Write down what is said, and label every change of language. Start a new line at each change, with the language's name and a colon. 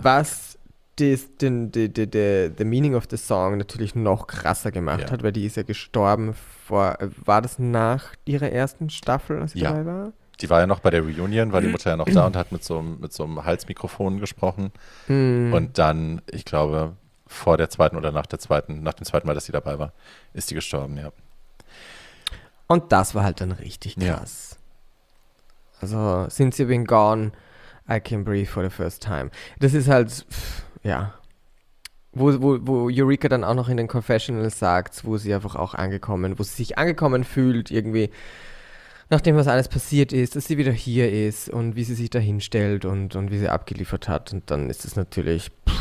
German: Was
English: the meaning of the song
German: natürlich noch krasser gemacht hat, weil die ist ja gestorben vor, war das nach ihrer ersten Staffel, als sie dabei war? Die war ja noch bei der Reunion, war die Mutter ja noch da und hat mit so einem Halsmikrofon gesprochen. Hm. Und dann, ich glaube, vor der zweiten oder nach der zweiten, nach dem zweiten Mal, dass sie dabei war, ist die gestorben, ja. Und das war halt dann richtig krass. Ja.
English: Also, since you've been gone, I can breathe for the first time.
German: Das ist halt, wo Eureka dann auch noch in den Confessionals sagt, wo sie einfach auch angekommen, wo sie sich angekommen fühlt irgendwie, nachdem was alles passiert ist, dass sie wieder hier ist und wie sie sich da hinstellt und wie sie abgeliefert hat. Und dann ist es natürlich,